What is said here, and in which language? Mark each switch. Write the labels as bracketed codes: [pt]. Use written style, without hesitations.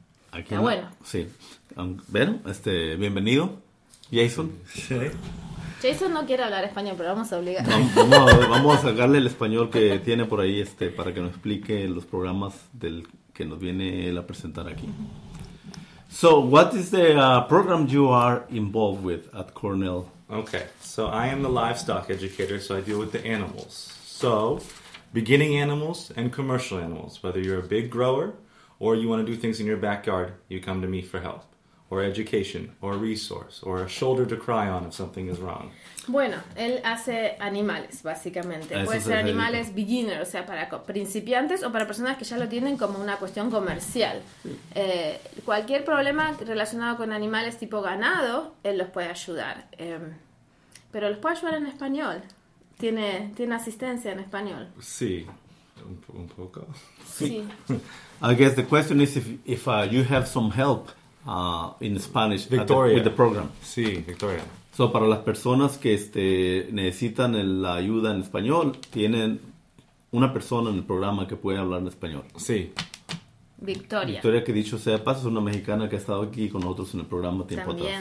[es] Aquí está bueno. Sí. Bueno, bienvenido, Jason. Sí. Jason no quiere hablar español, pero vamos a obligar. Vamos a sacarle el español que tiene por ahí para que nos explique los programas del que nos viene él a presentar aquí. [en] So, what is the program you are involved with at Cornell? Okay, so I am the livestock educator, so I deal with the animals. So, beginning animals and commercial animals. Whether you're a big grower or you want to do things in your backyard, you come to me for help. Or education, or resource, or a shoulder to cry on if something is wrong. [es] Bueno, él hace animales, básicamente. Puede ser animales beginner, o sea, para principiantes o para personas que ya lo tienen como una cuestión comercial. Cualquier problema relacionado con animales tipo ganado, él los puede ayudar. Pero los puede ayudar en español. Tiene asistencia en español. Sí, un poco. Sí. [en] I guess the question is if you have some help... in Spanish, Victoria. With the program. [es] Sí, Victoria. So, para las personas que necesitan la ayuda en español, tienen una persona en el programa que puede hablar en español. Sí. Victoria, que dicho sea de paso, es una mexicana que ha estado aquí con nosotros en el programa tiempo también,